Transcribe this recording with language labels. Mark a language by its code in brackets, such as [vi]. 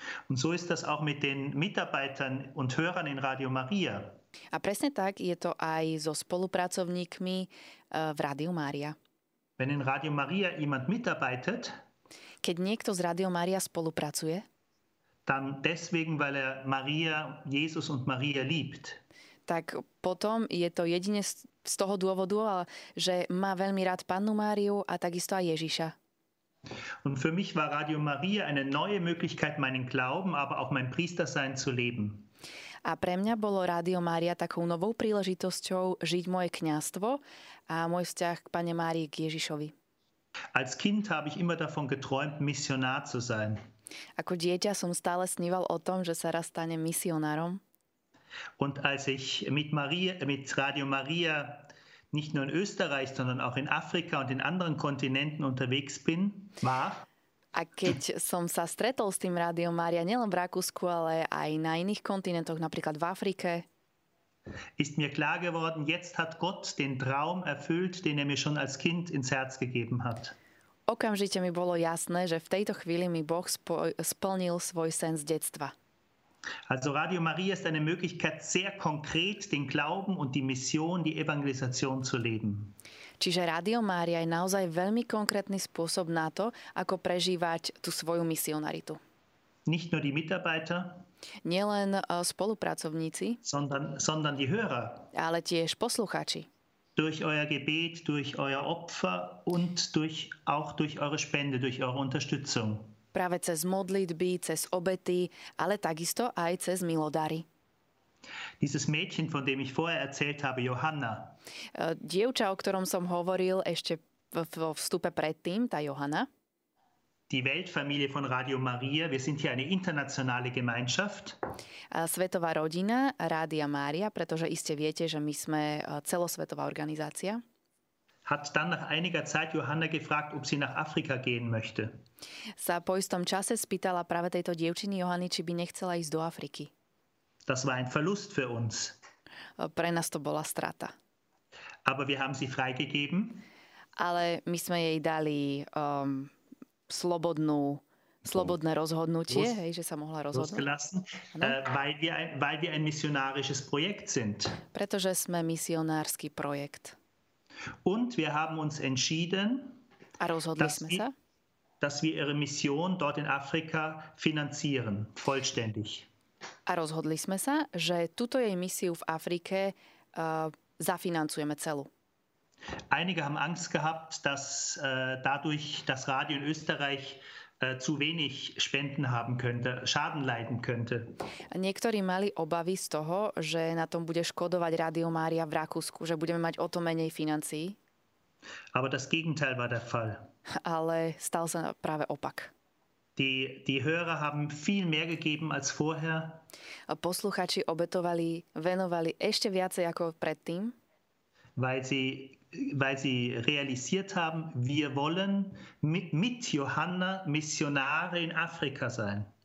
[de] Und so ist das auch mit den Mitarbeitern und Hörern in Radio Maria. [sk] A presne tak je to aj so spolupracovníkmi v Rádiu Mária. [de] Wenn in Radio Maria jemand mitarbeitet, [sk] keď niekto z Rádio Mária spolupracuje, [de] dann deswegen, weil er Maria, Jesus und Maria liebt. [sk] Tak potom je to jedine z toho dôvodu, že má veľmi rád Pannu Máriu a takisto aj Ježiša. [de] Und für mich war Radio Maria eine neue Möglichkeit, meinen Glauben, aber auch mein Priestersein zu leben. [sk] A pre mňa bolo Rádio Mária takou novou príležitosťou žiť moje kňazstvo a môj vzťah k Panne Márii, k Ježišovi. [de] Als Kind habe ich immer davon geträumt, Missionar zu sein. [sk] Ako dieťa som stále sníval o tom, že sa raz stanem misionárom. [de] Und als ich mit Radio Maria nicht nur in Österreich, sondern auch in Afrika und in anderen Kontinenten unterwegs bin, war... [sk] A keď som sa stretol s tým Rádiom Mária nielen v Rakúsku, ale aj na iných kontinentoch, napríklad v Afrike. [de] Ist mir klar geworden, jetzt hat Gott den Traum erfüllt, den mir schon als Kind ins Herz gegeben hat. [sk] Okamžite mi bolo jasné, že v tejto chvíli mi Boh splnil svoj sen z detstva. [de] Also Radio Maria ist eine Möglichkeit, sehr konkret den Glauben und die Mission, die Evangelisation zu leben. [sk] Čiže Rádio Mária je naozaj veľmi konkrétny spôsob na to, ako prežívať tú svoju misionaritu. [de] Nicht nur die Mitarbeiter, [sk] nielen spolupracovníci, [de] sondern die Hörer, [sk] ale tiež poslucháči. [de] Durch euer Gebet, durch euer Opfer und auch durch eure Spende, durch eure Unterstützung. [sk] Práve cez modlitby, cez obety, ale takisto aj cez milodary. [de] Dieses Mädchen, von dem ich vorher erzählt habe, Johanna. [sk] Dievča, o ktorom som hovoril ešte vo vstupe predtým, tá Johanna. [de] Die Weltfamilie von Radio Maria, wir sind hier eine internationale Gemeinschaft. [sk] Svetová rodina Rádia Mária, pretože iste viete, že my sme celosvetová organizácia. [de] Hat dann nach einiger Zeit Johanna gefragt, ob sie nach Afrika gehen möchte. [sk] Sa po istom čase spýtala práve tejto dievčiny Johany, či by nechcela ísť do Afriky. [de] Das war ein Verlust für uns. [sk] Pre nás to bola strata. [de] Aber wir haben sie freigegeben. [sk] ale my sme jej dali slobodné rozhodnutie, hej, že sa mohla rozhodnúť. [de] Weil wir ein missionarisches Projekt sind. [sk] Pretože sme misionársky projekt. [de] Und wir haben uns entschieden, [sk] a rozhodli sme sa, [de] dass wir ihre Mission dort in Afrika finanzieren, vollständig. [sk] A rozhodli sme sa, že túto jej misiu v Afrike zafinancujeme celú. [de] Einige haben Angst gehabt, dass dadurch das Radio in Österreich zu wenig Spenden haben könnte, Schaden leiden könnte. [sk] Niektorí mali obavy z toho, že na tom bude škodovať Rádio Mária v Rakúsku, že budeme mať o to menej financií. [de] Aber das Gegenteil war der Fall. [sk] Ale stal sa práve opak. [de] Die Hörer haben viel mehr gegeben als vorher. [sk] Posluchači obetovali, venovali ešte viacej ako predtým. [de] Weil sie realisiert haben, wir wollen mit Johanna Missionare in Afrika sein.